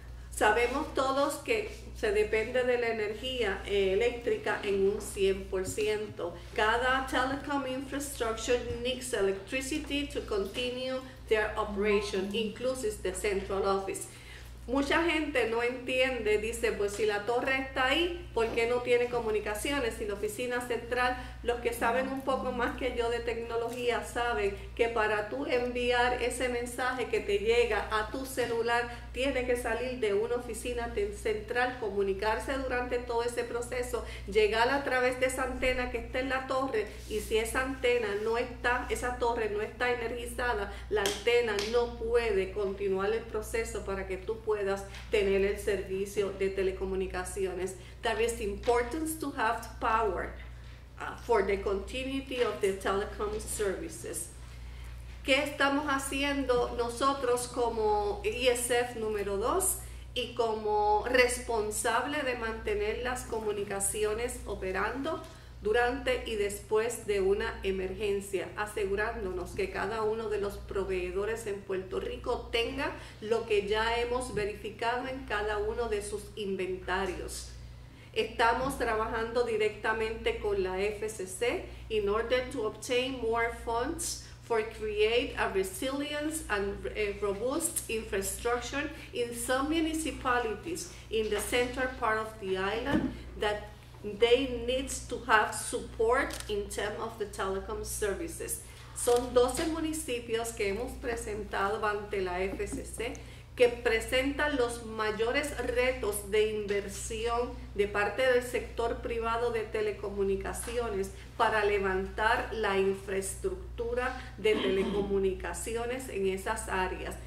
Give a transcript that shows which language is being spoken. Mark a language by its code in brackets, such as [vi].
[es] Sabemos todos que se depende de la energía eléctrica en un 100%. [en] Cada telecom infrastructure needs electricity to continue their operation, incluso the central office. [es] Mucha gente no entiende, dice, pues si la torre está ahí, ¿por qué no tiene comunicaciones? Si la oficina central, los que saben un poco más que yo de tecnología saben que para tú enviar ese mensaje que te llega a tu celular, tiene que salir de una oficina central, comunicarse durante todo ese proceso, llegar a través de esa antena que está en la torre, y si esa antena no está, esa torre no está energizada, la antena no puede continuar el proceso para que tú puedas tener el servicio de telecomunicaciones. [en] There is importance to have power for the continuity of the telecom services. [es] ¿Qué estamos haciendo nosotros como ESF número 2 y como responsable de mantener las comunicaciones operando durante y después de una emergencia, asegurándonos que cada uno de los proveedores en Puerto Rico tenga lo que ya hemos verificado en cada uno de sus inventarios? Estamos trabajando directamente con la FCC [en] in order to obtain more funds for create a resilient and a robust infrastructure in some municipalities in the central part of the island that they need to have support in terms of the telecom services. [es] Son 12 municipios que hemos presentado ante la FCC que presentan los mayores retos de inversión de parte del sector privado de telecomunicaciones para levantar la infraestructura de telecomunicaciones en esas áreas.